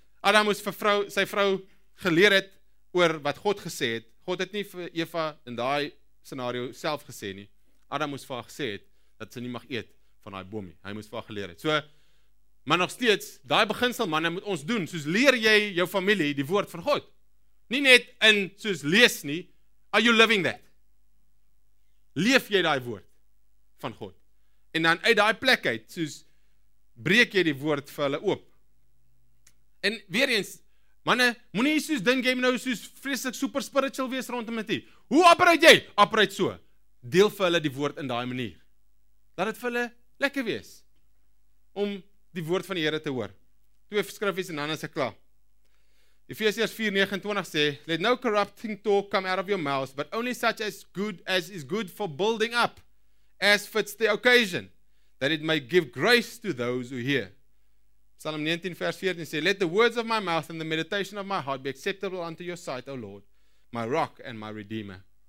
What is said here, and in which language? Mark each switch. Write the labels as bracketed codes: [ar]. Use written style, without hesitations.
[af] Adam moes vir sy vrou geleer het oor wat God gesê het. God het nie vir Eva in daai scenario self gesê nie. Adam moes vir haar gesê het dat sy nie mag eet van daai boom nie. Hy moes vir haar geleer het. So, maar nog steeds, daai beginsel manne moet ons doen. Soos leer jy jou familie die woord van God. Nie net in soos lees nie. [en] Are you living that? [af] Leef jy daai woord van God? En dan uit daai plek uit, soos breek jy die woord vir hulle oop. En weer eens, manne, moenie soos dink jy nou soos vreeslik super spiritual wees rondom dit. Hoe operate jy? Operate so. Deel vir hulle die woord in daai manier. Laat dit vir hulle lekker wees om die woord van die Here te hoor. Twee skrifgies en dan is ek klaar. [en] Efesiërs 4:29 sê, "Let no corrupting talk come out of your mouth, but only such as is good for building up, as fits the occasion, that it may give grace to those who hear." Psalm 19:14 sê, "Let the words of my mouth and the meditation of my heart be acceptable unto your sight, O Lord, my rock and my redeemer."